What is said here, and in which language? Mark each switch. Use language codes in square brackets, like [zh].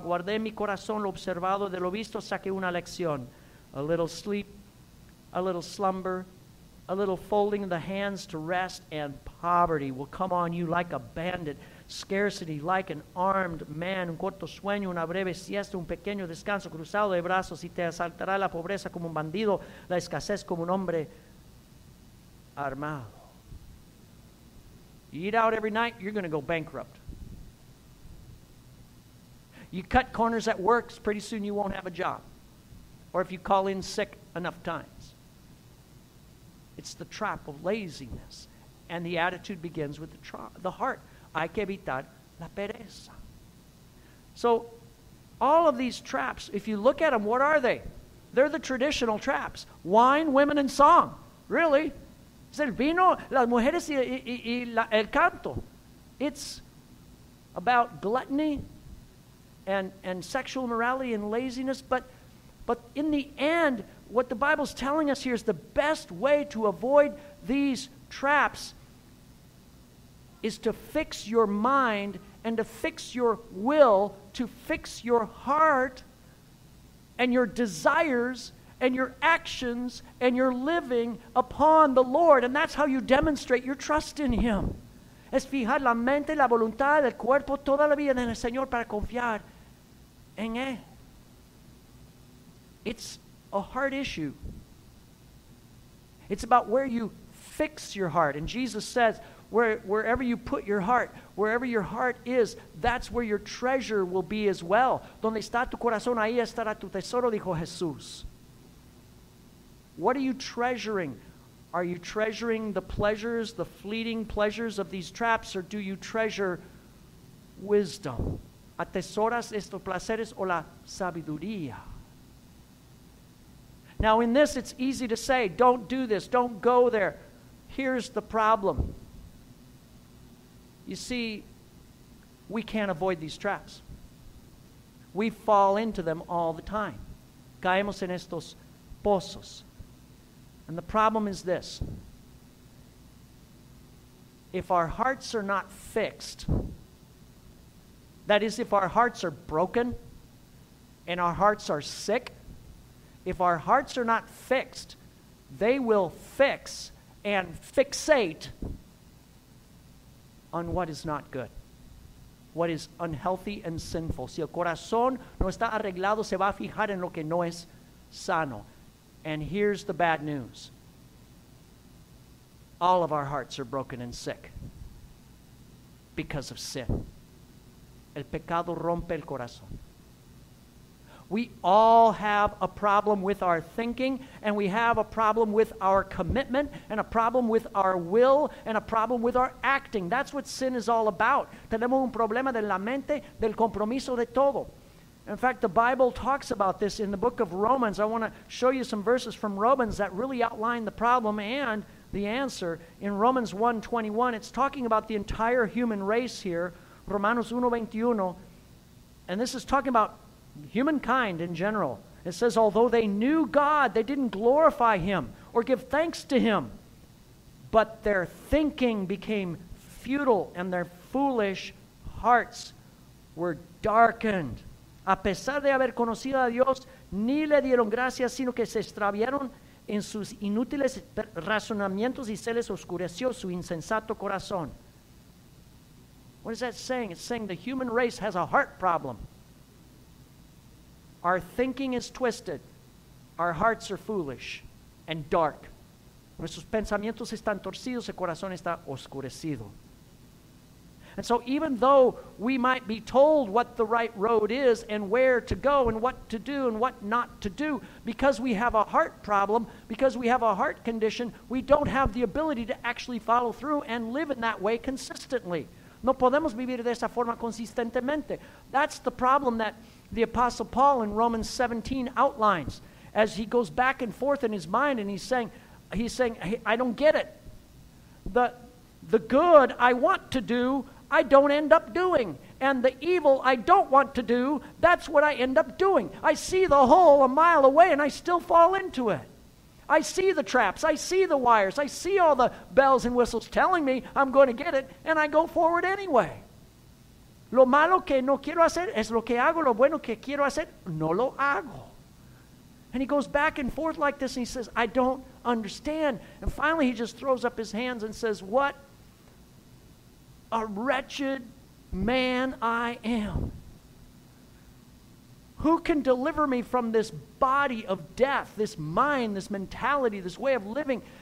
[es] Guardé mi corazón lo observado de lo visto, saqué una lección. [en] A little sleep, a little slumber, a little folding of the hands to rest, and poverty will come on you like a bandit. Scarcity like an armed man. [es] Un corto sueño, una breve siesta, un pequeño descanso cruzado de brazos y te asaltará la pobreza como un bandido, la escasez como un hombre armado. [en] You eat out every night, you're going to go bankrupt. You cut corners at work, pretty soon you won't have a job. Or if you call in sick enough times. It's the trap of laziness. And the attitude begins with the heart. [es] Hay que evitar la pereza. [en] So, all of these traps, if you look at them, what are they? They're the traditional traps. Wine, women, and song. Really? [es] Es el vino, las mujeres y la, el canto. [en] It's about gluttony and sexual morality and laziness, but in the end, what the Bible's telling us here is the best way to avoid these traps is to fix your mind and to fix your will, to fix your heart and your desires and your actions and your living upon the Lord. And that's how you demonstrate your trust in Him. [es] Es fijar la mente, la voluntad, el cuerpo, toda la vida en el Señor para confiar en Él. [en] It's a heart issue. It's about where you fix your heart. And Jesus says, wherever you put your heart, wherever your heart is, that's where your treasure will be as well. [es] Donde está tu corazón, ahí estará tu tesoro, dijo Jesús. [en] What are you treasuring? Are you treasuring the pleasures, the fleeting pleasures of these traps, or do you treasure wisdom? [es] ¿Atesoras estos placeres o la sabiduría? [en] Now in this, it's easy to say, don't do this, don't go there. Here's the problem. You see, we can't avoid these traps. We fall into them all the time. [es] Caemos en estos pozos. [en] And the problem is this. If our hearts are not fixed, that is, if our hearts are broken and our hearts are sick, if our hearts are not fixed, they will fix and fixate on what is not good, what is unhealthy and sinful. [es] Si el corazón no está arreglado, se va a fijar en lo que no es sano. [en] And here's the bad news. All of our hearts are broken and sick because of sin. [es] El pecado rompe el corazón. [en] We all have a problem with our thinking, and we have a problem with our commitment, and a problem with our will, and a problem with our acting. That's what sin is all about. [es] Tenemos un problema de la mente, del compromiso de todo. [en] In fact, the Bible talks about this in the book of Romans. I want to show you some verses from Romans that really outline the problem and the answer. In Romans 1:21, it's talking about the entire human race here. [es] Romanos 1:21. [en] And this is talking about humankind in general. It says, although they knew God, they didn't glorify Him or give thanks to Him, but their thinking became futile and their foolish hearts were darkened. [es] A pesar de haber conocido a Dios, ni le dieron gracias, sino que se extraviaron en sus inútiles razonamientos y se les oscureció su insensato corazón. [en] What is that saying? It's saying the human race has a heart problem. Our thinking is twisted. Our hearts are foolish and dark. Nuestros pensamientos están torcidos, el corazón está oscurecido. And so even though we might be told what the right road is and where to go and what to do and what not to do, because we have a heart problem, because we have a heart condition, we don't have the ability to actually follow through and live in that way consistently. [es] No podemos vivir de esa forma consistentemente. [en] That's the problem that the Apostle Paul in Romans 17 outlines as he goes back and forth in his mind and he's saying, I don't get it. The good I want to do, I don't end up doing. And the evil I don't want to do, that's what I end up doing. I see the hole a mile away and I still fall into it. I see the traps, I see the wires, I see all the bells and whistles telling me I'm going to get it, and I go forward anyway. [es] Lo malo que no quiero hacer es lo que hago. Lo bueno que quiero hacer, no lo hago. [en] And he goes back and forth like this and he says, I don't understand. And finally he just throws up his hands and says, what a wretched man I am. Who can deliver me from this body of death, this mind, this mentality, this way of living?